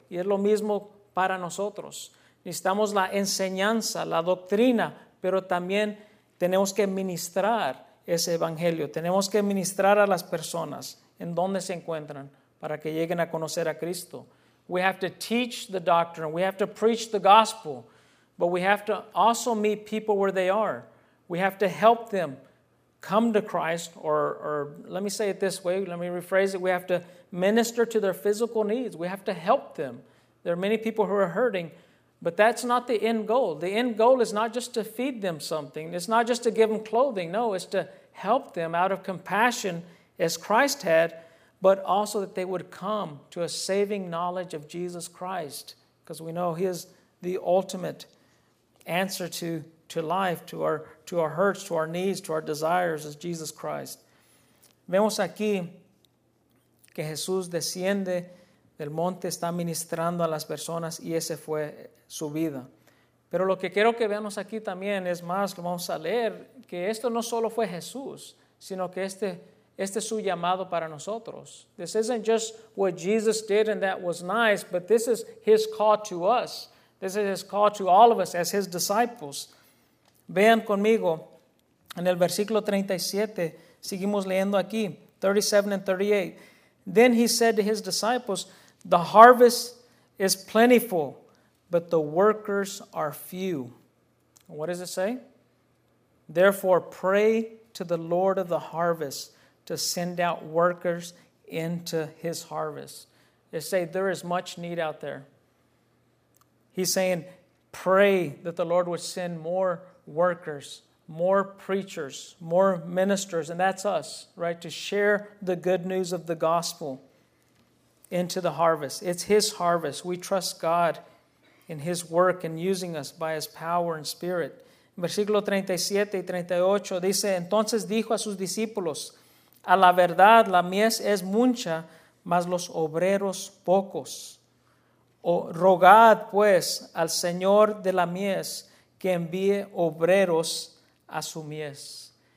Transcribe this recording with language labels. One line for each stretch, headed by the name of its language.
Spanish: Y es lo mismo para nosotros. Necesitamos la enseñanza, la doctrina, pero también tenemos que ministrar ese evangelio. Tenemos que ministrar a las personas en donde se encuentran para que lleguen a conocer a Cristo.
English: We have to teach the doctrine. We have to preach the gospel. But we have to also meet people where they are. We have to help them come to Christ, or let me say it this way, let me rephrase it. We have to minister to their physical needs. We have to help them. There are many people who are hurting, but that's not the end goal. The end goal is not just to feed them something. It's not just to give them clothing. No, it's to help them out of compassion as Christ had, but also that they would come to a saving knowledge of Jesus Christ, because we know He is the ultimate answer to life, to our hurts, to our needs, to our desires, is Jesus Christ.
Spanish: Vemos aquí que Jesús desciende del monte, está ministrando a las personas, y ese fue su vida. Pero lo que quiero que veamos aquí también es más, lo vamos a leer, que esto no solo fue Jesús, sino que este es su llamado para nosotros.
English: This isn't just what Jesus did and that was nice, but this is His call to us. This is His call to all of us as His disciples.
Spanish: Vean conmigo, en el versículo 37, seguimos leyendo aquí,
English: 37 and 38. "Then He said to His disciples, 'The harvest is plentiful, but the workers are few.'" What does it say? "Therefore, pray to the Lord of the harvest to send out workers into His harvest." They say there is much need out there. He's saying, pray that the Lord would send more workers, more preachers, more ministers, and that's us, right? To share the good news of the gospel into the harvest. It's His harvest. We trust God in His work and using us by His power and Spirit.
Spanish: Versículo 37 y 38 dice, "Entonces dijo a sus discípulos, 'A la verdad, la mies es mucha, mas los obreros pocos. Rogad, pues, al Señor de la mies, que envíe obreros a su mies.'"